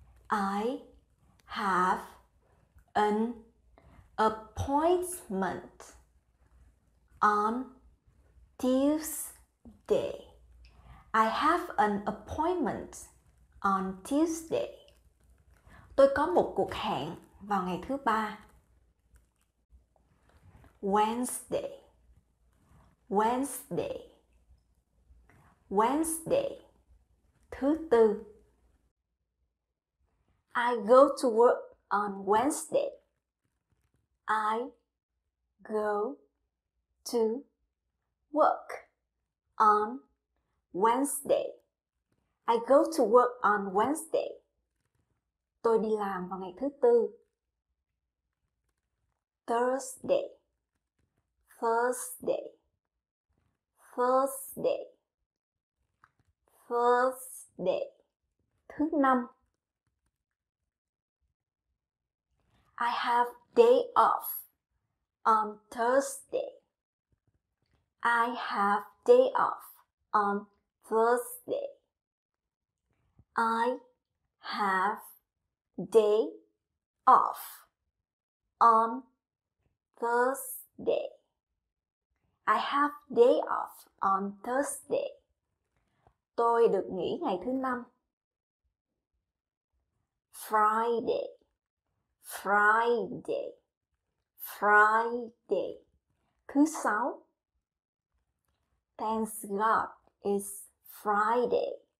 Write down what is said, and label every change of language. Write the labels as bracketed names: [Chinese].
[English] I have an appointment on Tuesday. I have an appointment on Tuesday. [Vietnamese] Tôi có một cuộc hẹn vào ngày thứ ba. [English] Wednesday. Wednesday. Wednesday. Thứ tư. I go to work on Wednesday. I go to work on Wednesday. I go to work on Wednesday. [Vietnamese] Tôi đi làm vào ngày thứ tư. [English] Thursday. Thursday. Thursday. Thursday. Thứ năm. I have day off on Thursday. I have day off on Thursday. I have day off on Thursday. I have day off on Thursday. [Vietnamese] Tôi được nghỉ ngày thứ năm. [English] Friday. Friday. Friday. Thứ sáu. Thanks God it's Friday.